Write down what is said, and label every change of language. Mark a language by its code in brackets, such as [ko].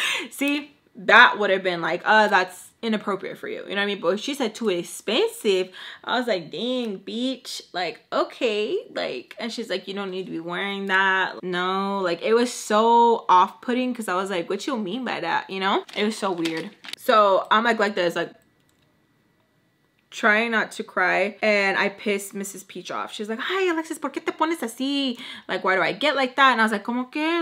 [en] See, that would have been like, that's inappropriate for you, you know what I mean? But she said too expensive, I was like, dang, bitch, like, okay. Like, and she's like, you don't need to be wearing that. No, like, it was so off-putting because I was like, what you mean by that, you know? It was so weird. So I'm like this, like trying not to cry, and I pissed Mrs. Peach off. She's like, hi, [es] Alexis, ¿por qué te pones así? [en] Like, why do I get like that? And I was like, [es] ¿cómo que?